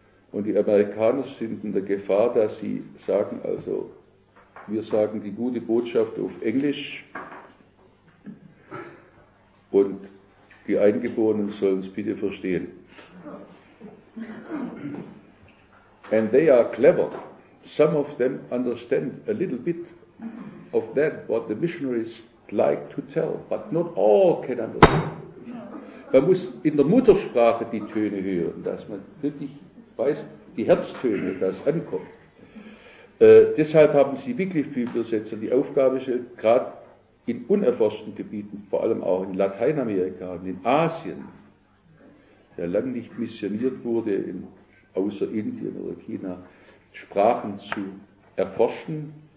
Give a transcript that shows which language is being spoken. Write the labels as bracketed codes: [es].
[de] Und die Amerikaner sind in der Gefahr, dass sie sagen, also wir sagen die gute Botschaft auf Englisch und die Eingeborenen sollen es bitte verstehen. [en] And they are clever. Some of them understand a little bit of that what the missionaries like to tell, but not all can understand. [de] Man muss in der Muttersprache die Töne hören, dass man wirklich weiß, die Herztöne, dass ankommt. Deshalb haben sie wirklich viele Übersetzer. Die Aufgabe ist, gerade in unerforschten Gebieten, vor allem auch in Lateinamerika und in Asien, der lange nicht missioniert wurde, außer Indien oder China, Sprachen zu erforschen.